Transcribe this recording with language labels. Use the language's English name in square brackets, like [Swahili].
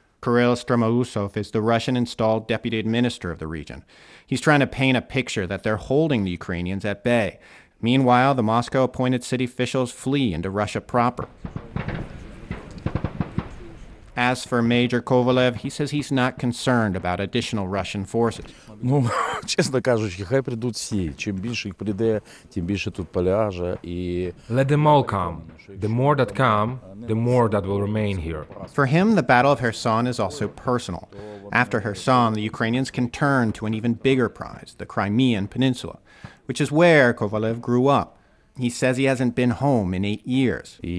[English] Kirill Stramousov is the Russian-installed deputy minister of the region. He's trying to paint a picture that they're holding the Ukrainians at bay. Meanwhile, the Moscow-appointed city officials flee into Russia proper. As for Major Kovalev, he says he's not concerned about additional Russian forces. [Ukrainian] Ну, чесно кажучи, хай прийдуть всі. Чим більше їх прийде, тим більше тут поляже і. [English] Let them all come. The more that come, the more that will remain here. For him, the Battle of Kherson is also personal. After Kherson, the Ukrainians can turn to an even bigger prize, the Crimean Peninsula, which is where Kovalev grew up. He says he hasn't been home in 8 years.